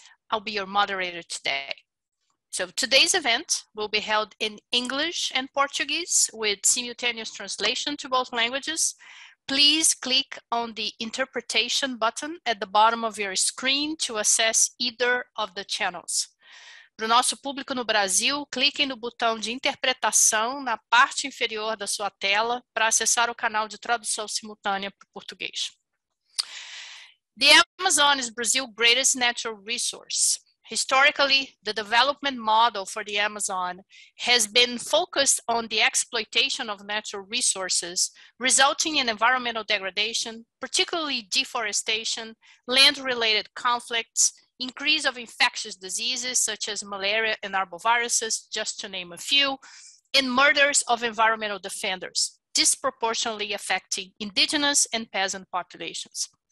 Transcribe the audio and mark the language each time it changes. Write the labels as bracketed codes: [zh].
[en] I'll be your moderator today. So today's event will be held in English and Portuguese with simultaneous translation to both languages. Please click on the interpretation button at the bottom of your screen to access either of the channels. [pt] Para o nosso público no Brasil, clique no botão de interpretação na parte inferior da sua tela para acessar o canal de tradução simultânea para o português. [en] The Amazon is Brazil's greatest natural resource. Historically, the development model for the Amazon has been focused on the exploitation of natural resources, resulting in environmental degradation, particularly deforestation, land-related conflicts, increase of infectious diseases such as malaria and arboviruses, just to name a few, and murders of environmental defenders, disproportionately affecting indigenous and peasant populations.